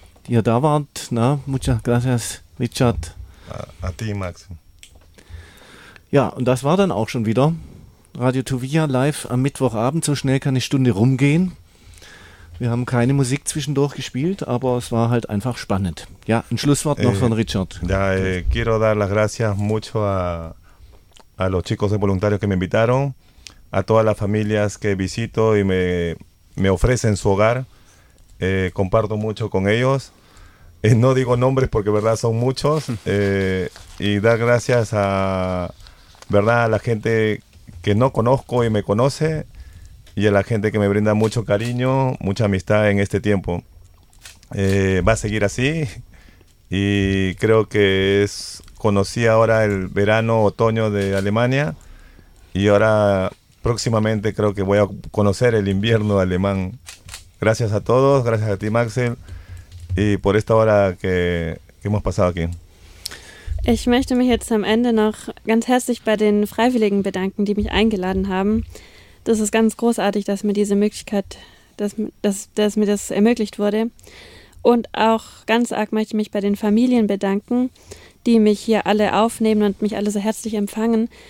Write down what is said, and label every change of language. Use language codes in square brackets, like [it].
[de] Ihr da wart, na, [es] muchas gracias, [de] Richard. [es] A ti, Maxim. [de] Ja, und das war dann auch schon wieder Radio Tuvia live am Mittwochabend. So schnell kann eine Stunde rumgehen. Wir haben keine Musik zwischendurch gespielt, aber es war halt einfach spannend. Ja, ein Schlusswort noch von Richard. [es] Ja, quiero dar las gracias mucho a los chicos de voluntarios que me invitaron, a todas las familias que visito y me ofrecen su hogar. Comparto mucho con ellos, no digo nombres porque verdad son muchos, y dar gracias a verdad a la gente que no conozco y me conoce y a la gente que me brinda mucho cariño, mucha amistad en este tiempo. Va a seguir así y creo que es conocí ahora el verano otoño de Alemania y ahora próximamente creo que voy a conocer el invierno alemán. Gracias a todos, gracias a ti, Maxel, y por esta hora que hemos pasado aquí. [de] Ich möchte mich jetzt am Ende noch ganz herzlich bei den Freiwilligen bedanken, die mich eingeladen haben. Das ist ganz großartig, dass mir diese Möglichkeit, dass mir das ermöglicht wurde. Und auch ganz arg möchte ich mich bei den Familien bedanken, die mich hier alle aufnehmen und mich alle so herzlich empfangen.